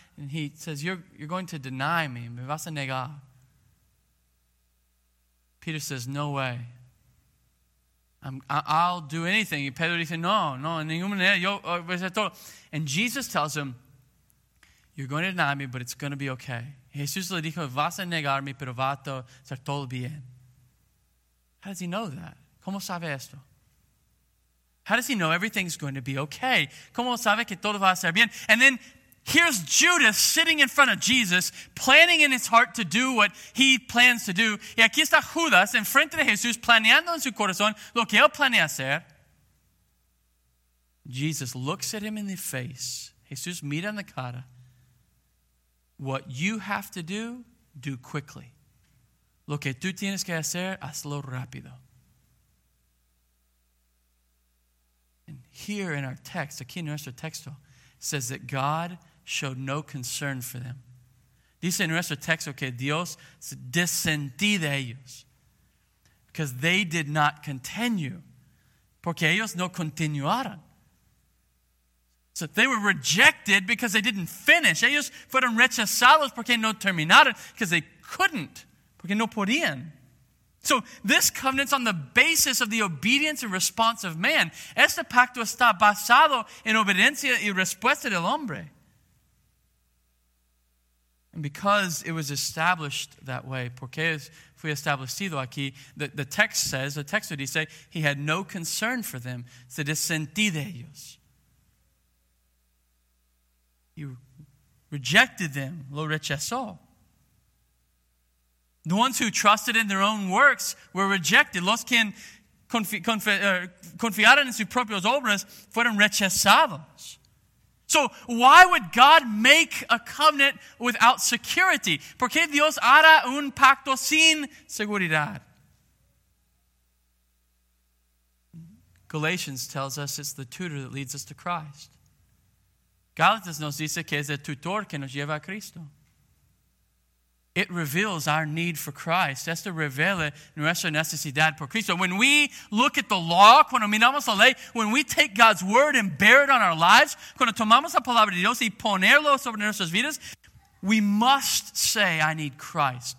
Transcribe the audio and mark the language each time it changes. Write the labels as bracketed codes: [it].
[en] And he says, you're going to deny me. [es] Me vas a negar. [en] Peter says, no way. I'll do anything. [es] Y Pedro dice, no, en ninguna manera. Yo, todo. [en] And Jesus tells him, you're going to deny me, but it's going to be okay. [es] Jesús le dijo, vas a negarme, pero va a ser todo bien. [en] How does he know that? [es] ¿Cómo sabe esto? [en] How does he know everything's going to be okay? [es] ¿Cómo sabe que todo va a ser bien? [en] And then here's Judas sitting in front of Jesus, planning in his heart to do what he plans to do. [es] Y aquí está Judas en frente de Jesús, planeando en su corazón lo que él planea hacer. [en] Jesus looks at him in the face. [es] Jesús mira en la cara. [en] What you have to do, do quickly. [es] Lo que tú tienes que hacer, hazlo rápido. [en] And here in our text, [es] aquí en nuestro texto, [en] says that God showed no concern for them. [es] Dice en nuestro texto que Dios descendí de ellos. [en] Because they did not continue. [es] Porque ellos no continuaron. [en] So they were rejected because they didn't finish. [es] Ellos fueron rechazados porque no terminaron. [en] Because they couldn't. [es] Porque no podían. [en] So this covenant's on the basis of the obedience and response of man. [es] Este pacto está basado en obediencia y respuesta del hombre. [en] And because it was established that way, [es] porque fue establecido aquí, [en] the text says, the text would he say, he had no concern for them, [es] se desentí de ellos. [en] He rejected them, [es] lo rechazó. [en] The ones who trusted in their own works were rejected. [es] Los que confiaron en sus propias obras fueron rechazados. [en] So why would God make a covenant without security? [es] ¿Por qué Dios hará un pacto sin seguridad? [en] Galatians tells us it's the tutor that leads us to Christ. [es] Galatians nos dice que es el tutor que nos lleva a Cristo. [en] It reveals our need for Christ. [es] Esto revela nuestra necesidad por Cristo. [en] When we look at the law, [es] cuando miramos la ley, [en] when we take God's word and bear it on our lives, [es] cuando tomamos la palabra de Dios y ponerlo sobre nuestras vidas, [en] we must say, I need Christ.